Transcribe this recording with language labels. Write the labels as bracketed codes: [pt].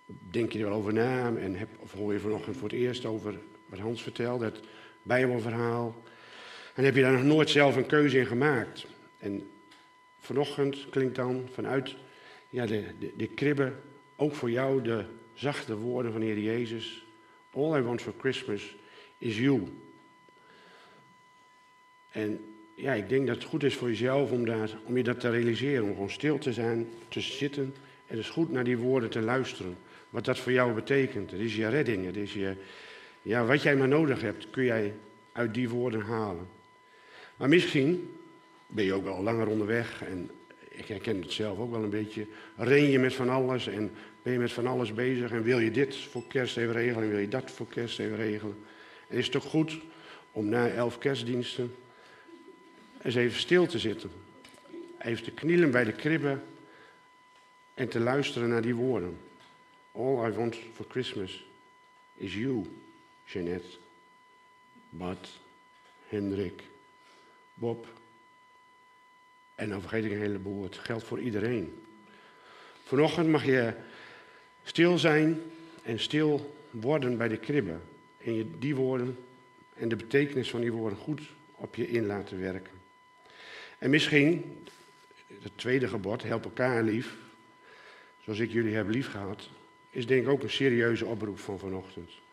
[nl] Denk je er wel over na en hoor je vanochtend voor het eerst over wat Hans vertelde, het Bijbelverhaal. En heb je daar nog nooit zelf een keuze in gemaakt. En vanochtend klinkt dan vanuit de kribbe ook voor jou de zachte woorden van de Heer Jezus. [en] All I want for Christmas is you. [nl] En ik denk dat het goed is voor jezelf om je dat te realiseren. Om gewoon stil te zijn, te zitten en dus goed naar die woorden te luisteren. Wat dat voor jou betekent. Het is je redding. Het is je. Wat jij maar nodig hebt, kun jij uit die woorden halen. Maar misschien ben je ook wel langer onderweg. En ik herken het zelf ook wel een beetje. Ren je met van alles en ben je met van alles bezig. En wil je dit voor kerst even regelen en wil je dat voor kerst even regelen. En is het toch goed om na 11 kerstdiensten eens even stil te zitten. Even te knielen bij de kribbe en te luisteren naar die woorden. [en] All I want for Christmas is you, Jeanette, Bart, Hendrik, Bob. [nl] En dan vergeet ik een heleboel, het geldt voor iedereen. Vanochtend mag je stil zijn en stil worden bij de kribbe. En je die woorden en de betekenis van die woorden goed op je in laten werken. En misschien, het tweede gebod, help elkaar lief, zoals ik jullie heb lief gehad, is denk ik ook een serieuze oproep van vanochtend.